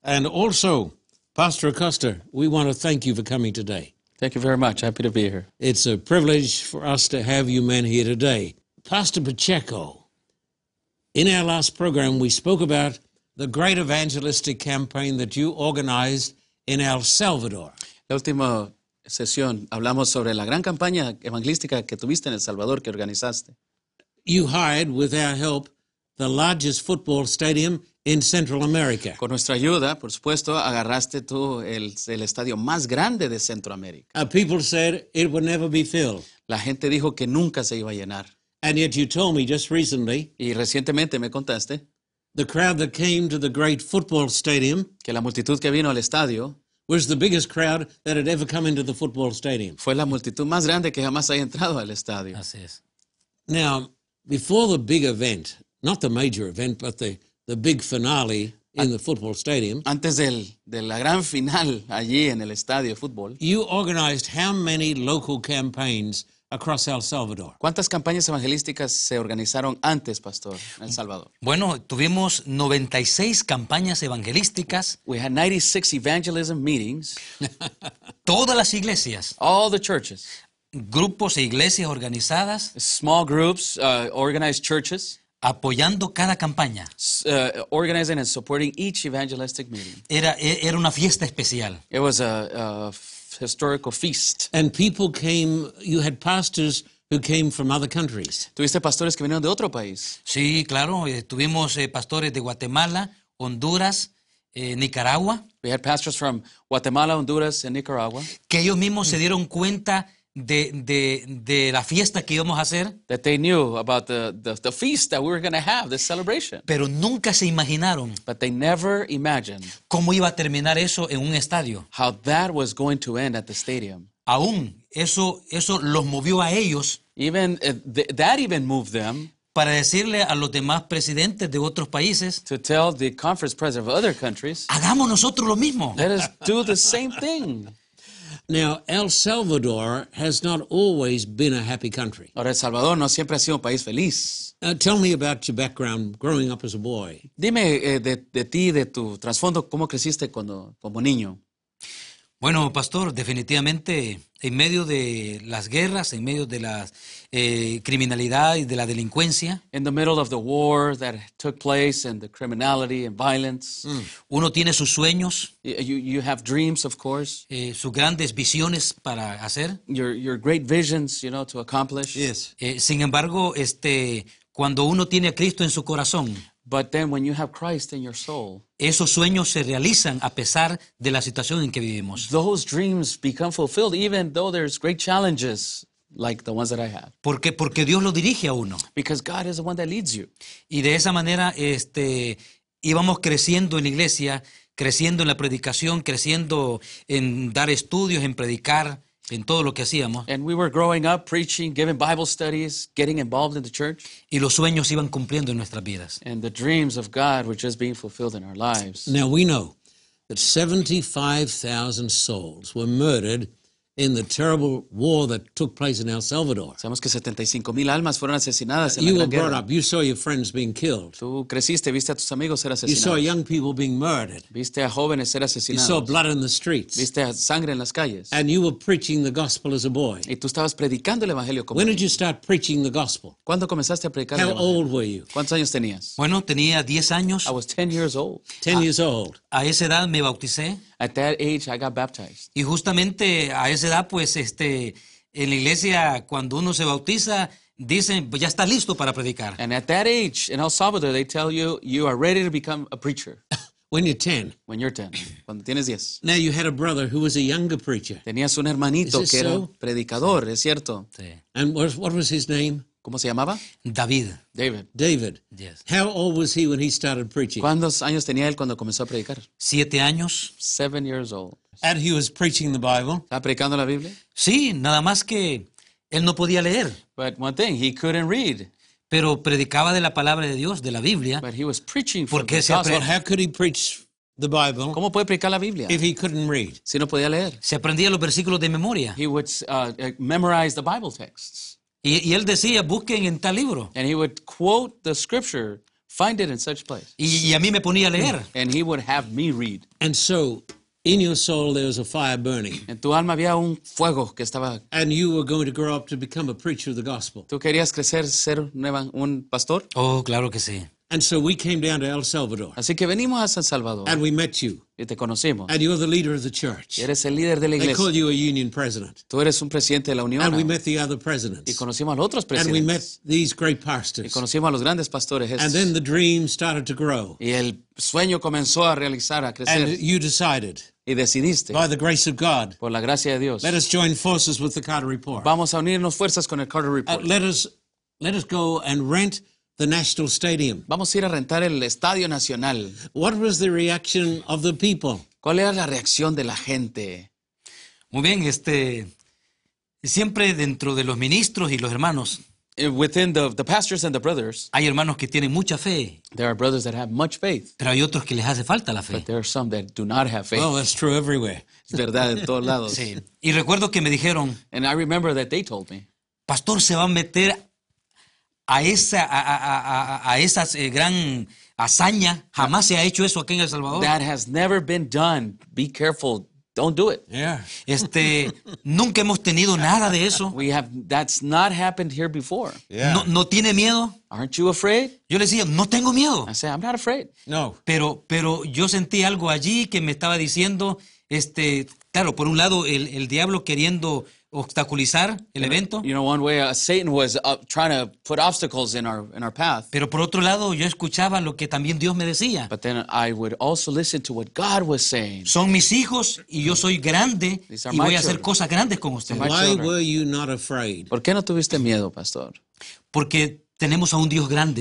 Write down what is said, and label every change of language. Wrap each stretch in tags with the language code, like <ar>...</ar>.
<en>And also, Pastor Acosta, we want to thank you for coming today. Thank you very much. Happy to be here. It's a privilege for us to have you men here today. Pastor Pacheco, in our last program, we spoke about the great evangelistic campaign that you organized in El Salvador.</en> <es>La última sesión, hablamos sobre la gran campaña evangelística que tuviste en El Salvador, que organizaste.</es> <en>You hired, with our help, the largest football stadium in Central America.</en> <es>Con nuestra ayuda, por supuesto, agarraste tú el estadio más grande de Centroamérica.</es> <en>People said it would never be filled.</en> <es>La gente dijo que nunca se iba a llenar.</es> <en>And yet you told me just recently.</en> <es>Y recientemente me contaste.</es> <en>The crowd that came to the great football stadium.</en> <es>Que la multitud que vino al estadio.</es> <en>Was the biggest crowd that had ever come into the football stadium.</en> <es>Fue la multitud más grande que jamás haya entrado al estadio. Así es.</es> <en>Now, before the big event, not the major event, but the big finale in the football stadium.</en> <es>Antes de la gran final allí en el estadio de fútbol.</es> <en>You organized how many local campaigns across El Salvador?</en> <es>¿Cuántas campañas evangelísticas se organizaron antes, Pastor, en El Salvador? Bueno, tuvimos 96 campañas evangelísticas.</es> <en>We had 96 evangelism meetings.</en> <es>Todas las iglesias.</es> <en>All the churches.</en> <es>Grupos e iglesias organizadas.</es> <en>Small groups, organized churches.</en> <es>Apoyando cada campaña.</es> <en>Organizing and supporting each evangelistic meeting.</en> <es>Era una fiesta especial.</es> <en>It was a historical feast. And people came, you had pastors who came from other countries.</en> <es>¿Tuviste pastores que vinieron de otro país? Sí, claro. Tuvimos pastores de Guatemala, Honduras, Nicaragua.</es> <en>We had pastors from Guatemala, Honduras, and Nicaragua.</en> <es>Que ellos mismos se dieron cuenta de la fiesta que íbamos a hacer.</es> <en>That they knew about the feast that we were going to have, this celebration.</en> <es>Pero nunca se imaginaron.</es> <en>But they never imagined.</en> <es>Cómo iba a terminar eso en un estadio.</es> <en>How that was going to end at the stadium.</en> <es>Aún, eso los movió a ellos.</es> <en>Even, that even moved them.</en> <es>para decirle a los demás presidentes de otros países,</es> <en>to tell the conference president of other countries,</en> <es>hagamos nosotros lo mismo.</es> <en>Let us do the same thing. Now, El Salvador has not always been a happy country.</en> <es>Ahora, El Salvador no siempre ha sido un país feliz.</es> <en>Tell me about your background growing up as a boy.</en> <es>Dime de ti, de tu trasfondo, cómo creciste cuando, como niño. Bueno, pastor, definitivamente en medio de las guerras, en medio de la criminalidad y de la delincuencia.</es> <en>In the middle of the war that took place and the criminality and violence. Mm.</en> <es>Uno tiene sus sueños.</es> <en>You have dreams, of course.</en> <es>Sus grandes visiones para hacer.</es> <en>Your great visions, you know, to accomplish. Yes.</en> <es>Sin embargo, cuando uno tiene a Cristo en su corazón.</es> <en>But then when you have Christ in your soul.</en> <es>Esos sueños se realizan a pesar de la situación en que vivimos.</es> <en>Those dreams become fulfilled even though there's great challenges like the ones that I have.</en> <es>Porque Dios lo dirige a uno.</es> <en>Because God is the one that leads you.</en> <es>Y de esa manera íbamos creciendo en la iglesia, creciendo en la predicación, creciendo en dar estudios, en predicar, en todo lo que hacíamos.</es> <en>And we were growing up preaching, giving Bible studies, getting involved in the church.</en> <es>Y los sueños iban cumpliendo en nuestras vidas.</es> <en>And the dreams of God were just being fulfilled in our lives. Now we know that 75,000 souls were murdered in the terrible war that took place in El Salvador.</en> <es>Sabemos que 75,000 almas fueron asesinadas en la guerra.</es> <en>You were brought up. You saw your friends being killed.</en> <es>Tú creciste, viste a tus amigos ser asesinados.</es> <en>You saw young people being murdered.</en> <es>Viste a jóvenes ser asesinados.</es> <en>You saw blood in the streets.</en> <es>Viste a sangre en las calles.</es> <en>And you were preaching the gospel as a boy.</en> <es>Y tú estabas predicando el evangelio como niño.</es> <en>When did you start preaching the gospel?</en> <es>¿Cuándo comenzaste a predicar el evangelio?</es> <en>How old were you?</en> <es>¿Cuántos años tenías? Bueno, tenía 10 años.</es> <en>I was 10 years old. 10 years old.</en> <es>A esa edad me bauticé.</es> <en>At that age, I got baptized.</en> <es>Y justamente a esa edad, pues, en la iglesia, cuando uno se bautiza, dicen, pues, ya está listo para predicar.</es> <en>And at that age, in El Salvador, they tell you, you are ready to become a preacher. When you're 10. When you're 10.</en> <es>Cuando tienes 10.</es> <en>Now you had a brother who was a younger preacher.</en> <es>Tenías un hermanito que era predicador, ¿es cierto?</es> <en>Sí. And what was his name?</en> <es>¿Cómo se llamaba? David. David. David.</es> <en>Yes. How old was he when he started preaching?</en> <es>¿Cuántos años tenía él cuando comenzó a predicar? 7 años.</es> <en>7 years old. And he was preaching the Bible.</en> <es>¿Estaba predicando la Biblia? Sí, nada más que él no podía leer.</es> <en>But one thing, he couldn't read.</en> <es>Pero predicaba de la palabra de Dios, de la Biblia.</es> <en>But he was preaching from the gospel. Well, how could he preach the Bible?</en> <es>¿Cómo puede predicar la Biblia?</es> <en>If he couldn't read.</en> <es>Si no podía leer. Se aprendía los versículos de memoria.</es> <en>He would memorize the Bible texts.</en> <es>Y él decía, busquen en tal libro.</es> <en>And he would quote the scripture, find it in such place.</en> <es>Y a mí me ponía a leer.</es> <en>And he would have me read. And so, in your soul there was a fire burning.</en> <es>En tu alma había un fuego que estaba.</es> <en>And you were going to grow up to become a preacher of the gospel.</en> <es>¿Tú querías crecer, ser un pastor? Oh, claro que sí.</es> <en>And so we came down to El Salvador.</en> <es>Así que venimos a San Salvador.</es> <en>And we met you.</en> <es>Y te conocimos.</es> <en>And you're the leader of the church.</en> <es>Y eres el líder de la iglesia.</es> <en>They call you a union president.</en> <es>Tú eres un presidente de la unión.</es> <en>And we met the other presidents.</en> <es>Y conocimos a los otros presidentes.</es> <en>And we met these great pastors.</en> <es>Y conocimos a los grandes pastores.</es> <en>And then the dream started to grow.</en> <es>Y el sueño comenzó a realizar, a crecer.</es> <en>And you decided.</en> <es>Y decidiste.</es> <en>By the grace of God.</en> <es>Por la gracia de Dios.</es> <en>Let us join forces with the Carter Report.</en> <es>Vamos a unirnos fuerzas con el Carter Report.</es> <en>Let us go and rent the National Stadium.</en> <es>Vamos a ir a rentar el Estadio Nacional.</es> <en>What was the reaction of the people?</en> <es>¿Cuál era la reacción de la gente? Muy bien, siempre dentro de los ministros y los hermanos.</es> <en>Within the pastors and the brothers.</en> <es>Hay hermanos que tienen mucha fe.</es> <en>There are brothers that have much faith.</en> <es>Pero hay otros que les hace falta la fe.</es> <en>But there are some that do not have faith. Well, that's true everywhere.</en> <es>Es verdad en todos lados. Sí. Y recuerdo que me dijeron.</es> <en>And I remember that they told me.</en> <es>Pastor, se va a meter a esa gran hazaña. Jamás se ha hecho eso aquí en El Salvador.</es> <en>That has never been done. Be careful. Don't do it. Yeah.</en> <es>nunca hemos tenido nada de eso.</es> <en>That's not happened here before. Yeah.</en> <es>No tiene miedo.</es> <en>Aren't you afraid?</en> <es>Yo le decía, no tengo miedo.</es> <en>I said, I'm not afraid.</en> <es>No. Pero yo sentí algo allí que me estaba diciendo, claro, por un lado, el diablo queriendo obstaculizar el evento.</es> <en>You know, one way Satan was trying to put obstacles in our path.</en> <es>Pero por otro lado, yo escuchaba lo que también Dios me decía.</es> <en>But then I would also listen to what God was saying.</en> <es>Son mis hijos y yo soy grande y voy a hacer cosas grandes con ustedes.</es> <en>Why were you not afraid?</en> <es>¿Por qué no tuviste miedo, pastor? Porque tenemos a un Dios grande.</es>